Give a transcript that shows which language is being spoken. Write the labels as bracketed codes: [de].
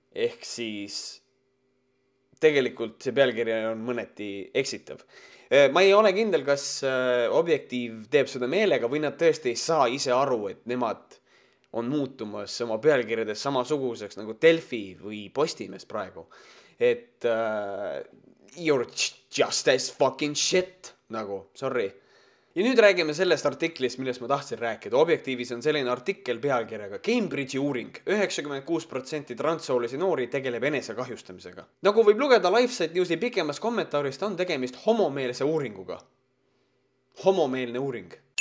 [et] Ehk siis tegelikult see pealkiri on mõneti eksitav. Ma ei ole kindel, kas objektiiv teeb seda meelega või nad tõesti ei saa ise aru, et nemad on muutumas oma pealkirjades samasuguseks nagu Delfi või Postimees praegu. Et [en] you're just as fucking shit, [et] nagu, [en] sorry. [et] Ja nüüd räägime sellest artiklist, millest ma tahtsin rääkida. Objektiivis on selline artikkel pealkirjaga Cambridge uuring. 96% transsoolisi noori tegeleb enesekahjustamisega. Nagu võib lugeda LifeSite Newsi pikemas kommentaarist, on tegemist homomeelse uuringuga. Homomeelne uuring.